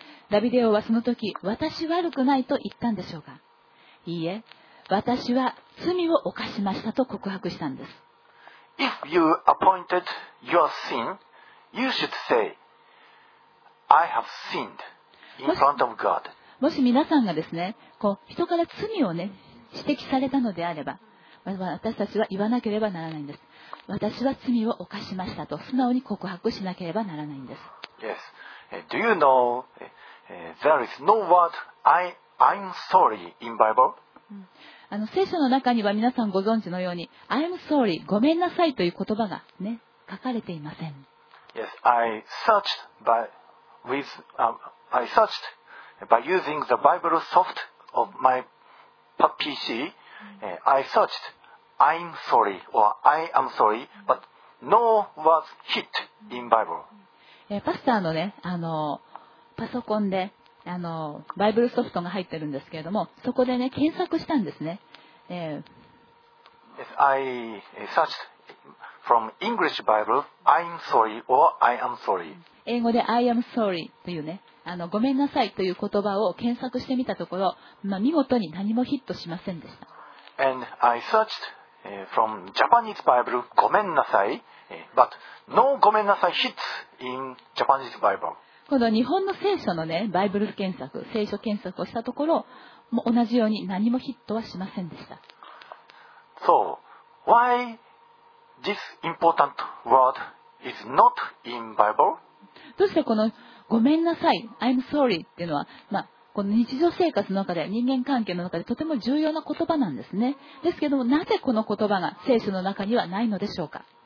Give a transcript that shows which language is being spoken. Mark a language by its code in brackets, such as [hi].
[ja] ダビデ王はその時、私悪くないと言ったんでしょうか。いいえ、私は罪を犯しましたと告白したんです。 [en] If you appointed your sin, you should sayI have sinned in front of God. [ja] もし皆さんがですね、こう人から罪をね指摘されたのであれば、私たちは言わなければならないんです。私は罪を犯しましたと素直に告白しなければならないんです。 [en] Yes. Do you know there is no word I'm sorry in Bible? [ja] 聖書の中には皆さんご存知のように [en] I'm sorry [ja] ごめんなさいという言葉がね書かれていません。 [en] Yes, I searched by using the Bible soft of my PC. I searched I'm sorry or I am sorry, but no was hit in Bible. [ja] パスターのねパソコンでバイブルソフトが入ってるんですけれどもそこでね検索したんですね。 [en] Yes, I searched from English Bible, I'm sorry or I am sorry. [ja] 英語で [en] I am sorry [ja] というねごめんなさいという言葉を検索してみたところ、見事に何もヒットしませんでした。 [en] And I searched from Japanese Bible, [ja] ごめんなさい、 [en] but no ごめんなさい hits in Japanese Bible. [ja] この日本の聖書のね、バイブル検索、聖書検索をしたところ、もう同じように何もヒットはしませんでした。 [en] So, why this important word is not in Bible? [ja] どうしてこのごめんなさい、 [en] I'm sorry [ja] っていうのは、この日常生活の中で、人間関係の中でとても重要な言葉なんですね。ですけども、なぜこの言葉が聖書の中にはないのでしょうか。